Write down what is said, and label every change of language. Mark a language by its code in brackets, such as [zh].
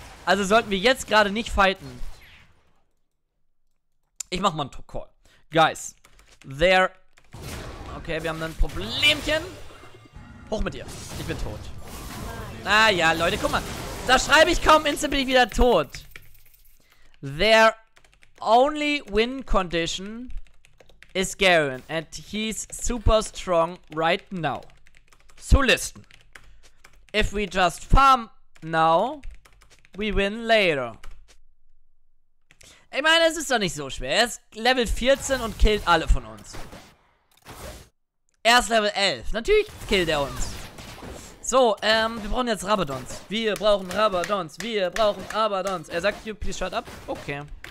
[de] Also sollten wir jetzt gerade nicht fighten. Ich mach mal einen Talk-Call. [en] Guys, there. [de] Okay, wir haben ein Problemchen. Hoch mit dir. Ich bin tot. Naja, Leute, guck mal. Da schreibe ich kaum instant, bin ich wieder tot. [en] Their only win condition is Garen. And he's super strong right now. So listen. If we just farm now, we win later. [de] Ich meine, es ist doch nicht so schwer. Er ist Level 14 und killt alle von uns. Er ist Level 11. Natürlich killt er uns. So, wir brauchen jetzt Rabadons. Wir brauchen Rabadons. Er sagt, [en] you please shut up. [de] Okay.